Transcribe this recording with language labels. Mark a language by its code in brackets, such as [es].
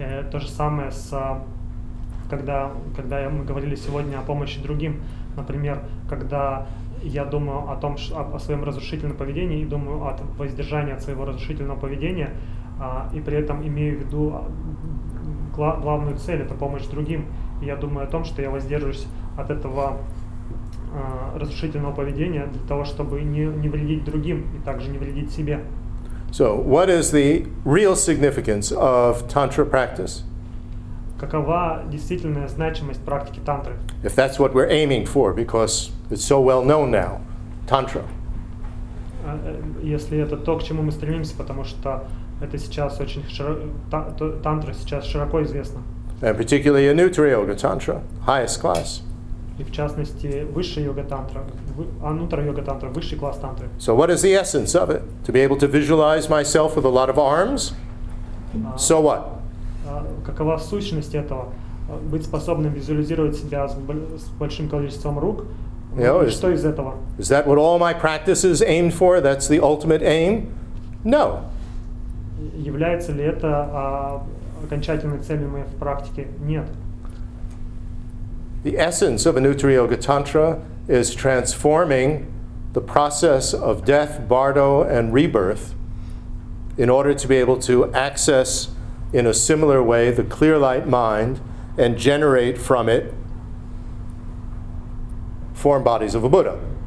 [ru] То же самое с когда мы говорили сегодня о помощи другим, например, когда я думаю о том, о своем разрушительном поведении и думаю о воздержании от своего разрушительного поведения, и при этом имею в виду главную цель — это помощь другим. И я думаю о том, что я воздерживаюсь от этого разрушительного поведения для того, чтобы не вредить другим и также не вредить себе. [en] So, what is the real significance of tantra practice? [ru] Какова действительная значимость практики тантры? [en] If that's what we're aiming for, because it's so well known now, tantra. [ru] Если это то, к чему мы стремимся, потому что это сейчас очень тантра сейчас широко известна. [en] And particularly Anutra yoga tantra, highest class. [ru] И в частности высшая йога тантра, Анутра йога тантра, высший класс тантры. [en] So what is the essence of it? To be able to visualize myself with a lot of arms? So what? [ru] Какова сущность этого? Быть способным визуализировать себя с большим количеством рук? [en] You know, [ru] что из этого? [en] Is that what all my practice is aimed for? That's the ultimate aim? No. [ru] Является ли это окончательной целью моей практики? Нет. [en] The essence of Anutra Yoga Tantra is transforming the process of death, bardo, and rebirth in order to be able to access in a similar way the clear light mind and generate from it form bodies of a Buddha.